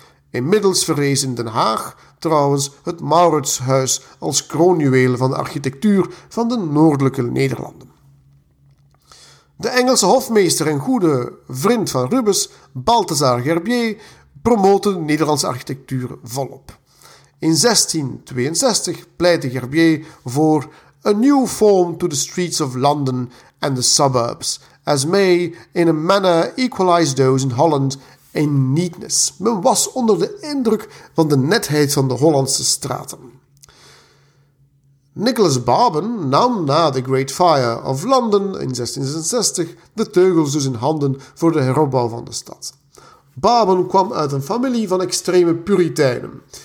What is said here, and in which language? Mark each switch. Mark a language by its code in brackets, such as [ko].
[nl] Inmiddels verrees in Den Haag trouwens het Mauritshuis als kroonjuweel van de architectuur van de noordelijke Nederlanden. De Engelse hofmeester en goede vriend van Rubens, Balthasar Gerbier, promootte de Nederlandse architectuur volop. In 1662 pleitte Gerbier voor [en] a new form to the streets of London and the suburbs, as may in a manner equalize those in Holland in neatness. [nl] Men was onder de indruk van de netheid van de Hollandse straten. Nicholas Barben nam na de Great Fire of London in 1666 de teugels dus in handen voor de heropbouw van de stad. Barben kwam uit een familie van extreme puriteinen.